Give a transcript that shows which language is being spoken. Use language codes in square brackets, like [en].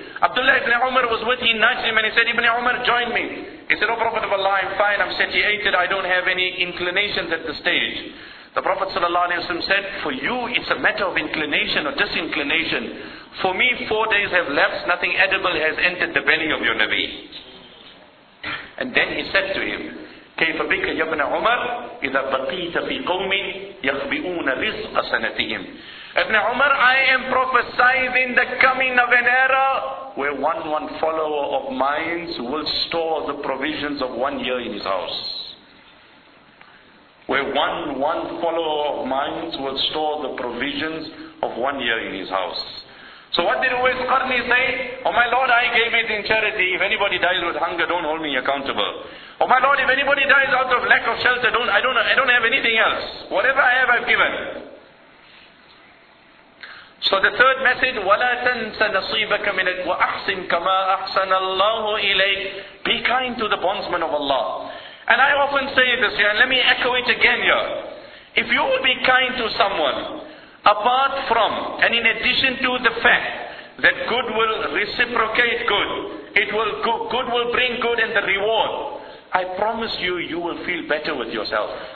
[en] Abdullah ibn Umar was with him, nudged him and he said, Ibn Umar, join me. He said, oh Prophet of Allah, I'm fine, I'm satiated, I don't have any inclinations at this stage. The Prophet sallallahu alaihi wasallam said, for you it's a matter of inclination or disinclination. For me 4 days have lapsed, nothing edible has entered the belly of your Nabi. And then he said to him, [ar] كيف بك يا ابن عمر إذا بقيت في قوم يخبئون رزق سنتهم. [en] Ibn Umar, I am prophesying the coming of an era where one follower of mine will store the provisions of 1 year in his house. Where one follower of mine will store the provisions of 1 year in his house. So what did Uwais Qarni say? Oh my Lord, I gave it in charity. If anybody dies with hunger, don't hold me accountable. Oh my Lord, if anybody dies out of lack of shelter, I don't have anything else. Whatever I have, I've given. So the third message, [ar] وَلَا تَنْسَ نَصِيبَكَ مِنَ وَأَحْسِنْ كَمَا أَحْسَنَ اللَّهُ إِلَيْكَ. [en] Be kind to the bondsman of Allah. And I often say this here, and let me echo it again here. If you will be kind to someone, apart from, and in addition to the fact that good will reciprocate good, good will bring good and the reward, I promise you, you will feel better with yourself.